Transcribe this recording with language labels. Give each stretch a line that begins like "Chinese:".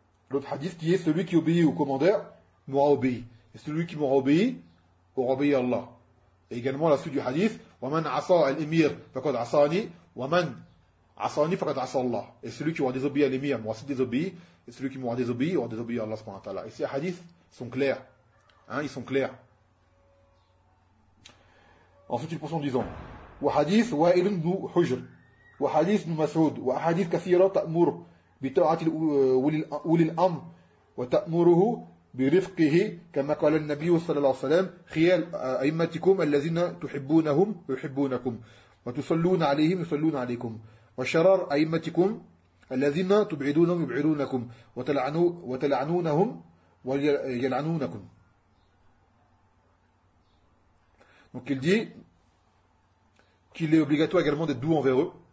French: L'autre hadith qui est celui qui obéit au commandeur m'aura obéi. Et celui qui m'aura obéi aura obéi à Allah. Et également la suite du hadith,
Arabic: وَمَنْ عَصَى الْإِمِيرِ فَقَدْ عَصَانِي وَمَنْ عَصَانِي فَقَدْ عَصَى اللَّهِ.
French: Et celui qui aura désobéi à l'émir m'aura aussi désobéi. Et celui qui m'aura désobéi aura désobéi à Allah. Et ces hadiths sont clairs. Hein, ils sont clairs. Ensuite, une portion disant,
Arabic: وَحَدِيثُ وَاِلٌ بْنُ حُجْرٍ وَحَدِيثُ بْنُ مَسْعُودٍ وَحَدِيثُ كَثِيرَ تَأْمُرُ بِتَوْعَةِ أُولِي الْأَمْرِ وَتَأْمُرُهُ برفقه كما قال النبي صلى الله عليه وسلم خيال أئمتكم الذين تحبونهم يحبونكم وتصلون عليهم يصلون عليكم وشرار أئمتكم الذين تبعدونهم يبعدونكم وتلعنونهم ويلعنونكم.
French: Donc il dit qu'il est obligatoire également d'être doux envers eux.